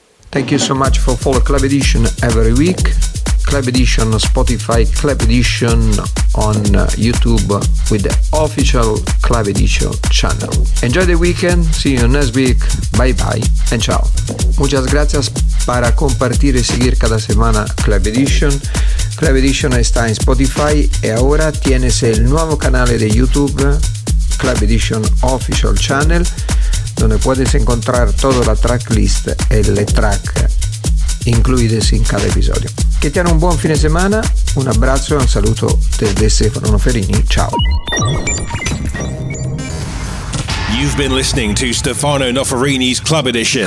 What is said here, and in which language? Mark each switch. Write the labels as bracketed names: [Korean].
[English] Thank you so much for following Club Edition every week. Club Edition on Spotify, Club Edition on YouTube with the official Club Edition channel. Enjoy the weekend, see you next week, bye bye and ciao. [Spanish] Muchas gracias para compartir y seguir cada semana Club Edition. Club Edition está en Spotify y ahora tienes el nuevo canal de YouTube, Club Edition Official Channel, donde puedes encontrar toda la tracklist y las tracks incluidas en cada episodio. Que tengan un buen fin de semana, un abrazo y un saludo desde Stefano Noferini. Ciao. [English] You've been listening to Stefano Noferini's Club Edition.